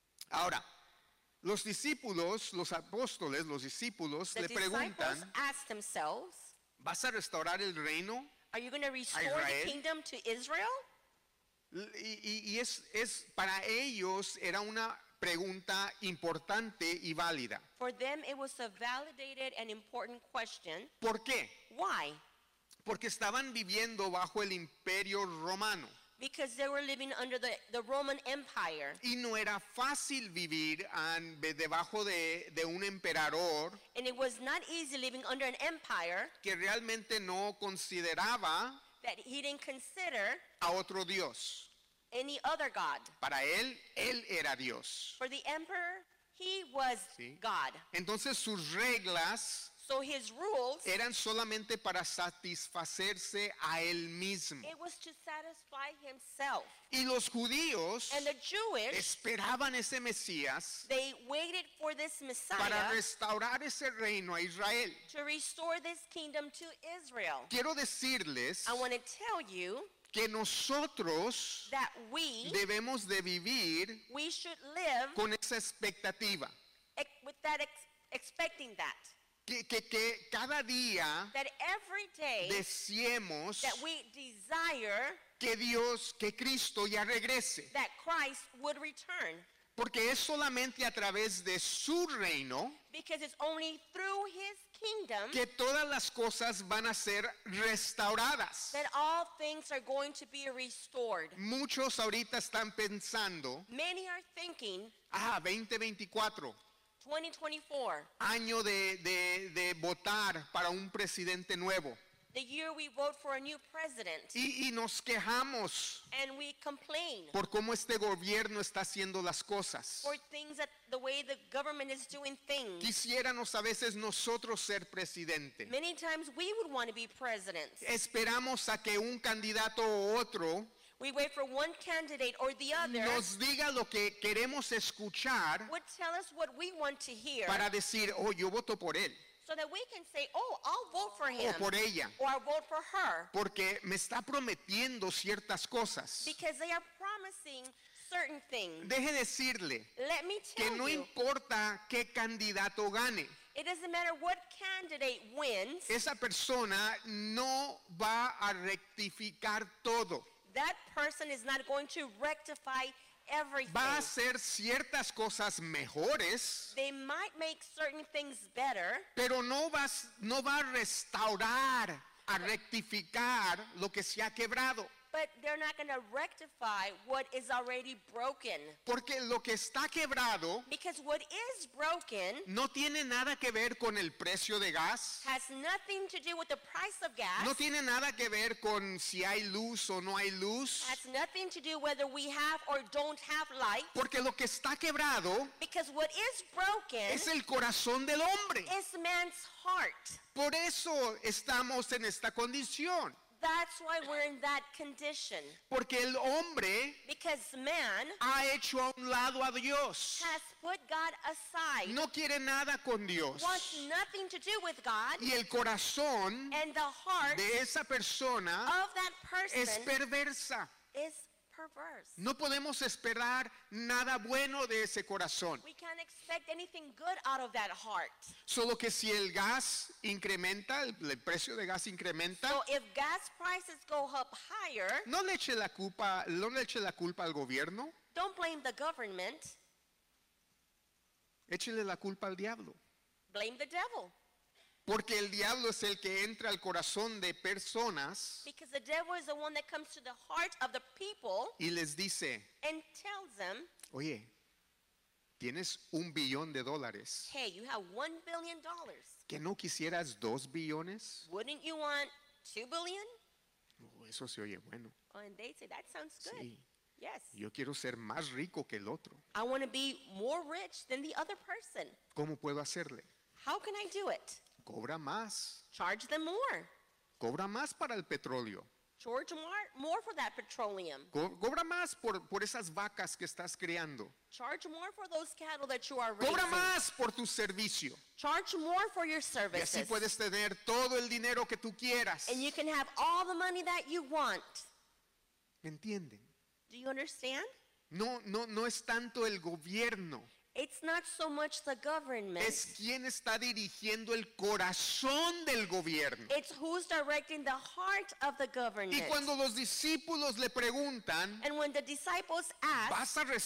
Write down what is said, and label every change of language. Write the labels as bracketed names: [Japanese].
[Spanish] Ahora, los discípulos, los apóstoles, los discípulos [English] the [Spanish] le preguntan, [English] ask themselves, [Spanish] ¿vas a restaurar el reino [English] are you gonna restore [Spanish] a Israel? [English] The kingdom to Israel? [Spanish] Y es para ellos era una pregunta importante y válida. [English] For them it was a validated and important question. [Spanish] ¿Por qué? [English] Why? [Spanish] Porque estaban viviendo bajo el Imperio Romano. [English] Because they were living under the Roman Empire. [Spanish] Y no era fácil vivir debajo de un emperador. [English] And it was not easy living under an empire. [Spanish] Que realmente no consideraba [English] that he didn't consider [Spanish] a otro Dios. [English] Any other God. [Spanish] Para él era Dios. [English] For the emperor, he was [Spanish] sí. [English] God. [Spanish] Entonces sus reglas [English] so his rules [Spanish] eran solamente para satisfacerse a él mismo. [English] It was to satisfy himself. [Spanish] Y los judíos [English] and the Jewish [Spanish] esperaban ese Mesías, [English] they waited for this Messiah [Spanish] para restaurar ese reino a Israel. [English] To restore this kingdom to Israel. [Spanish] Quiero decirles, [English] I want to tell you [Spanish] que nosotros [English] that we [Spanish] debemos de vivir [English] we should live [Spanish] con esa expectativa. [English] With that expecting that. [Spanish] Que cada día [English] that every day [Spanish] deseemos [English] that we desire [Spanish] que Dios, que Cristo ya regrese. [English] That Christ would return. [Spanish] Porque es solamente a través de su reino [English] because it's only through his kingdom [Spanish] que todas las cosas van a ser restauradas. [English] That all things are going to be restored. [Spanish] Muchos ahorita están pensando [English] many are thinking [Spanish] 2024 [English] 2024 [Spanish] año de votar para un presidente nuevo. [English] The year we vote for a new president. [Spanish] Y nos quejamos [English] and we complain [Spanish] por cómo este gobierno está haciendo las cosas. [English] For things that the way the government is doing things. [Spanish] Quisiéramos a veces nosotros ser presidente. [English] Many times we would want to be president. [Spanish] Esperamos a que un candidato o otro [English] we wait for one candidate or the other [Spanish] nos diga lo que queremos escuchar [English] would tell us what we want to hear [Spanish] para decir, oh, yo voto por él. [English] So that we can say, oh, I'll vote for him [Spanish] o por ella. [English] Or I'll vote for her [Spanish] porque me está prometiendo ciertas cosas. [English] Because they are promising certain things. [Spanish] Deje decirle [English] let me tell [Spanish] que no [English] you, [Spanish] importa qué candidato gane. [English] It doesn't matter what candidate wins. [Spanish] Esa persona no va a rectificar todo. [English] That person is not going to rectify everything. [Spanish] Va a hacer ciertas cosas mejores. [English] They might make certain things better. [Spanish] Pero no va a restaurar, a rectificar lo que se ha quebrado. [English] But they're not going to rectify what is already broken. [Spanish] Porque lo que está quebrado [English] because what is broken [Spanish] no tiene nada que ver con el precio de gas. [English] Has nothing to do with the price of gas. [Spanish] No tiene nada que ver con si hay luz o no hay luz. [English] Has nothing to do whether we have or don't have light. [Spanish] Porque lo que está quebrado [English] because what is broken [Spanish] es el corazón del hombre. [English] Is man's heart. [Spanish] Por eso estamos en esta condición. [English] That's why we're in that condition. [Spanish] Porque el hombre, [English] because man, [Spanish] ha hecho a un lado a Dios. [English] Has put God aside. [Spanish] No quiere nada con Dios. [English] Wants nothing to do with God. [Spanish] Y el corazón, [English] and the heart, [Spanish] de esa persona, [English] of that person, [Spanish] es perversa. [English] Is perverse. [Spanish] No podemos esperar nada bueno de ese corazón. [English] We can't expect anything good out of that heart. [Spanish] Solo que si el gas incrementa, el precio de gas incrementa, [English] so if gas prices go up higher, [Spanish] no le eche la culpa al gobierno. [English] Don't blame the government. [Spanish] Échele la culpa al diablo. [English] Blame the devil. [Spanish] Porque el diablo es el que entra al corazón de personas. [English] Because the devil is the one that comes to the heart of the people. [Spanish] Y les dice. [English] And tells them. [Spanish] Oye, tienes $1 billion. [English] Hey, you have $1 billion. [Spanish] ¿Que no quisieras 2 billones? [English] Wouldn't you want 2 billion? [Spanish] Oh, eso se oye bueno. [English] Oh, and they say that sounds good. [Spanish] Sí. [English] Yes. [Spanish] Yo quiero ser más rico que el otro. [English] I want to be more rich than the other person. [Spanish] ¿Cómo puedo hacerle? [English] How can I do it? [Spanish] Cobra más. [English] Charge them more. [Spanish] Cobra más para el petróleo. [English] Charge more for that petroleum. [Spanish] Cobra más por esas vacas que estás criando. [English] Charge more for those cattle that you are raising. [Spanish] Cobra más por tu servicio. [English] Charge more for your services. [Spanish] Y así puedes tener todo el dinero que tú quieras. [English] And you can have all the money that you want. [Spanish] ¿Me entienden? [English] Do you understand? [Spanish] No es tanto el gobierno. [English] It's not so much the government. [Spanish] Es quien está dirigiendo el corazón del gobierno. [English] It's who's directing the heart of the government. [Spanish] Y cuando los discípulos le preguntan, [English] and when the disciples ask,